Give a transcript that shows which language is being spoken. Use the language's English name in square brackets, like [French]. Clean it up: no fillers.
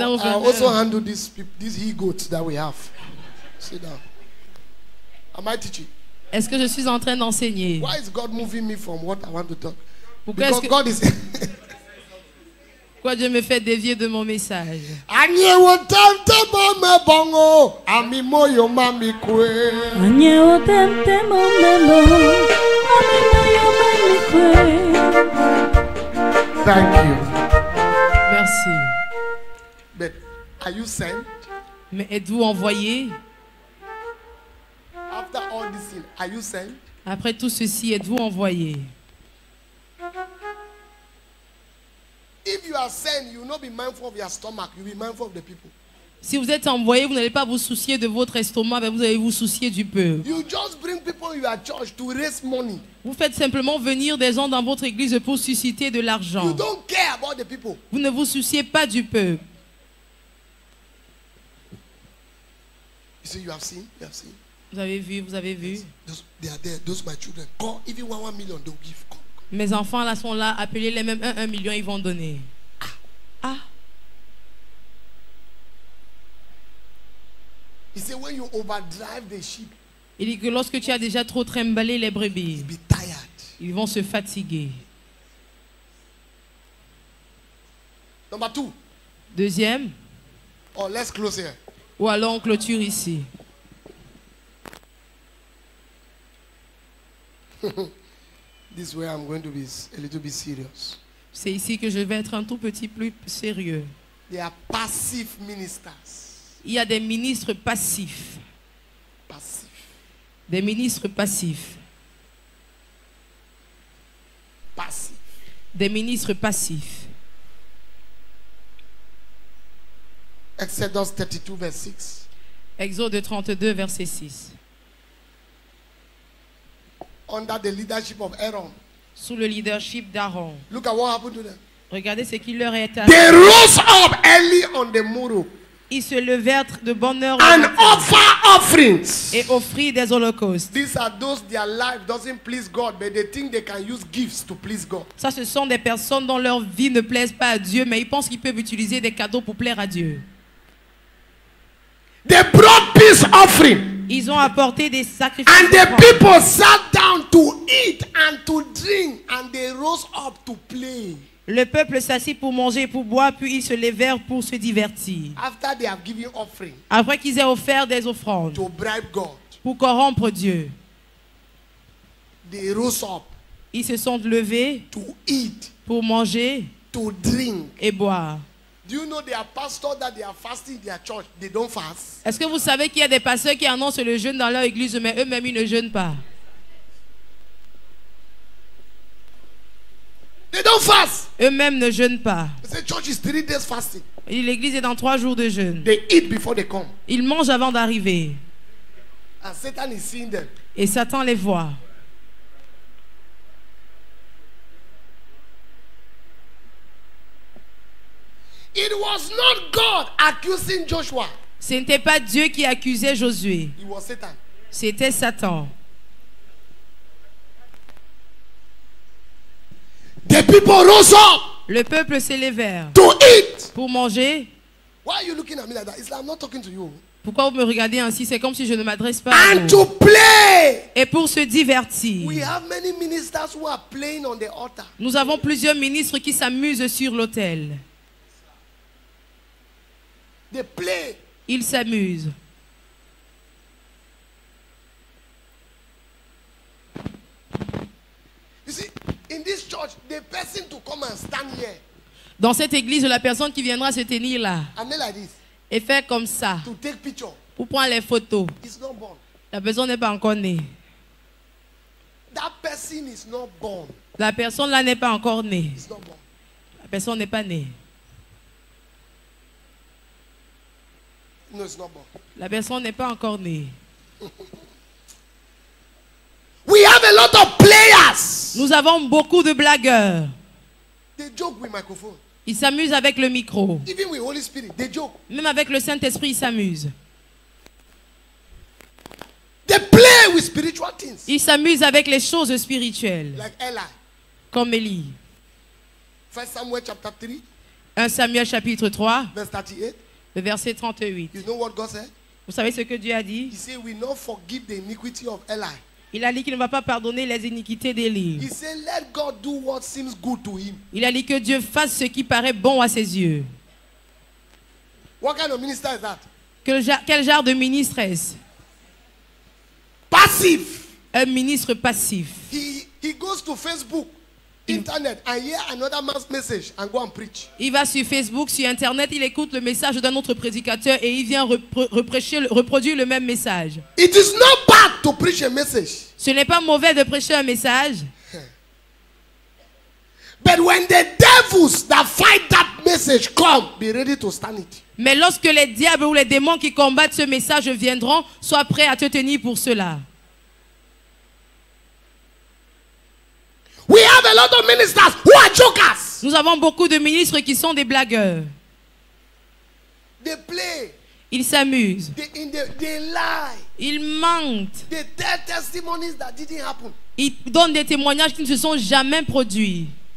[English] I will also handle this he-goat that we have. Sit down. Am I teaching? [French] Est-ce que je suis en train d'enseigner? [English] Why is God moving me from what I want to talk? [French] Pourquoi [English] because [French] que... [English] God is... [French] Pourquoi Dieu me fait dévier de mon message? Anye wo tempte mo me bongo Ami mo yo mami kwe Anye wo tempte mo me bongo Ami mo yo mami kwe. [English] Thank you. [French] Merci. [English] But are you sent? [French] Mais êtes-vous envoyé? [English] After all this, are you sent? [French] Après tout ceci, êtes-vous envoyé? [English] If you are sent, you will not be mindful of your stomach. You will be mindful of the people. [French] Si vous êtes envoyé, vous n'allez pas vous soucier de votre estomac, mais vous allez vous soucier du peuple. [English] You just bring people in your church to raise money. [French] Vous faites simplement venir des gens dans votre église pour susciter de l'argent. [English] You don't care about the people. [French] Vous ne vous souciez pas du peuple. [English] You see, you have seen. [French] Vous avez vu. [English] They are there. Those are my children. Call even 1 million, they'll give. [French] Mes enfants là sont là. Appelez-les même 1 million, ils vont donner. Ah. [English] He said, when you overdrive the sheep, [French] il dit que lorsque tu as déjà trop trimballé les brebis, [English] you'll be tired. [French] Ils vont se fatiguer. [English] Number two. [French] Deuxième. [English] Or let's close here. [French] Ou alors on clôture ici. [English] This way I'm going to be a little bit serious. [French] C'est ici que je vais être un tout petit plus sérieux. [English] They are passive ministers. [French] Il y a des ministres passifs. Passifs. Des ministres passifs. Passifs. Des ministres passifs. [English] Exodus 32, verse 6. [French] Exode 32, verset 6. [English] Under the leadership of Aaron. [French] Sous le leadership d'Aaron. [English] Look at what happened to them. [French] Regardez ce qui leur est arrivé. [English] They rose up early on the morrow. [French] Ils se levèrent de bonne heure [English] and offer offerings. [French] Et offrir des holocaustes. [English] These are those their life doesn't please God, but they think they can use gifts to please God. [French] Ça, ce sont des personnes dont leur vie ne plaise pas à Dieu, mais ils pensent qu'ils peuvent utiliser des cadeaux pour plaire à Dieu. [English] They brought peace offering. [French] Ils ont apporté des sacrifices. [English] And the people sat down to eat and to drink, and they rose up to play. [French] Le peuple s'assit pour manger et pour boire, puis ils se levèrent pour se divertir. [English] After they have given offering, [French] après qu'ils aient offert des offrandes [English] to bribe God, [French] pour corrompre Dieu, [English] they rose up, [French] ils se sont levés [English] to eat, [French] pour manger [English] to drink, [French] et boire. [English] Do you know there are pastors that they are fasting in their church? They don't fast. [French] Est-ce que vous savez qu'il y a des pasteurs qui annoncent le jeûne dans leur église, mais eux-mêmes ils ne jeûnent pas? [English] They don't don't fast. [French] Eux-mêmes ne jeûnent pas. [English] The church is 3 days fasting. [French] L'église est dans 3 jours de jeûne. [English] They eat before they come. [French] Ils mangent avant d'arriver. [English] And Satan is seeing them. [French] Et Satan les voit. [English] It was not God accusing Joshua. [French] Ce n'était pas Dieu qui accusait Josué. [English] It was Satan. [French] C'était Satan. [English] The people rose up. [French] Le peuple s'élevèrent. [English] To eat. [French] Pour manger. [English] Why are you looking at me like that? It's like I'm not talking to you. [French] Pourquoi vous me regardez ainsi? C'est comme si je ne m'adresse pas. [English] And to play. [French] Et pour se divertir. [English] We have many ministers who are playing on the altar. [French] Nous avons plusieurs ministres qui s'amusent sur l'autel. [English] They play. [French] Ils s'amusent. [English] In this church, the person to come and stand here. [French] Dans cette église, la personne qui viendra se tenir là. [English] And then like this. [French] Et faire comme ça. [English] To take picture. [French] Pour prendre les photos. [English] It's not born. [French] La personne n'est pas encore née. [English] That person is not born. [French] La personne là n'est pas encore née. [English] It's not born. [French] La personne n'est pas née. [English] No, it's not born. [French] La personne n'est pas encore née. [English] We have a lot of players. [French] Nous avons beaucoup de blagueurs. [English] They joke with microphone. [French] Ils s'amusent avec le micro. [English] Even with Holy Spirit, they joke. [French] Même avec le Saint-Esprit, ils s'amusent. [English] They play with spiritual things. [French] Ils s'amusent avec les choses spirituelles. [English] Like Eli. [French] Comme Élie. 1 Samuel chapitre 3. 1 Samuel chapitre 3. [English] Verse 38. [French] Le verset 38. [English] You know what God said? [French] Vous savez ce que Dieu a dit? [English] He said, we not forgive the iniquity of Eli. [French] Il a dit qu'il ne va pas pardonner les iniquités d'Élie. Il a dit que Dieu fasse ce qui paraît bon à ses yeux. [English] What kind of minister is that? [French] Quel genre de ministre est-ce? Passif. Un ministre passif. [English] He goes to Facebook, internet, and hear another man's message and go and preach. [French] Il va sur Facebook, sur internet, il écoute le message d'un autre prédicateur et il vient reproduire le même message. [English] It is not bad to preach a message. [French] Ce n'est pas mauvais de prêcher un message. [English] But when the devils that fight that message come, be ready to stand it. [French] Mais lorsque les diables ou les démons qui combattent ce message viendront, sois prêt à te tenir pour cela. [English] We have a lot of ministers who are jokers. [French] Nous avons beaucoup de ministres qui sont des blagueurs. [English] They play. [French] Ils s'amusent. [English] They lie. [French] Ils mentent. [English] They tell testimonies that didn't happen. [French] Ils donnent des témoignages qui ne se sont jamais produits.